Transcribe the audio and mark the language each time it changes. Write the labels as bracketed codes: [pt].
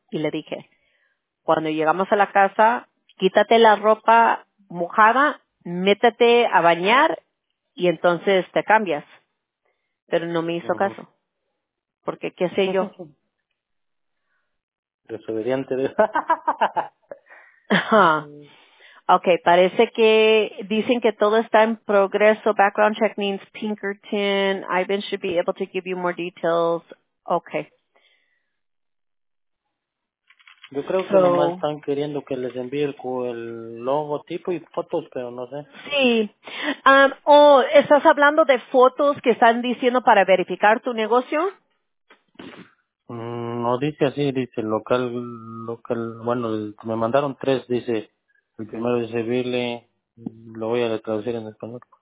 [es] Y le dije, cuando llegamos a la casa, quítate la ropa mojada, métete a bañar y entonces te cambias. Pero no me hizo caso. Porque qué sé yo. Desobediente. Okay, parece que dicen que todo está en progreso. [en] Background check means Pinkerton. Ivan should be able to give you more details. Okay. [es] Yo creo que nomás están queriendo que les envíe el logotipo y fotos, pero no sé. Sí. ¿Estás hablando de fotos que están diciendo para verificar tu negocio? No, dice así, dice local, bueno, me mandaron 3, dice, el primero dice Billy, lo voy a traducir en español,